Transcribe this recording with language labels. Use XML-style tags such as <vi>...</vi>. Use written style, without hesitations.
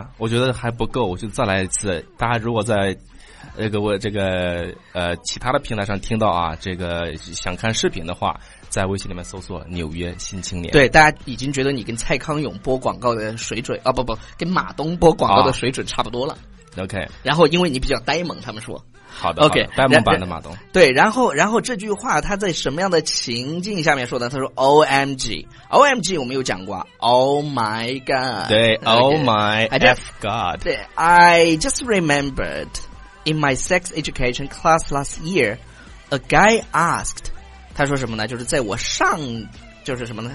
<zh>我觉得还不够，我就再来一次。大家如果在这个其他的平台上听到啊，这个想看视频的话，在微信里面搜索纽约新青年。对，大家已经觉得你跟蔡康永播广告的水准啊，不跟马东播广告的水准差不多了，哦，OK。然后因为你比较呆萌，他们说好的</zh> <en>OK，</en> <zh>呆萌版的马东。对，然后这句话他在什么样的情境下面说的？他说 OMG， OMG 我们有讲过，</zh> <en>Oh my God。</en> <zh>对，</zh> <en>okay， Oh my F God。对， I just rememberedIn my sex education class last year, a guy asked,</en> <zh>他说什么呢？就是在我上，就是什么呢？</zh>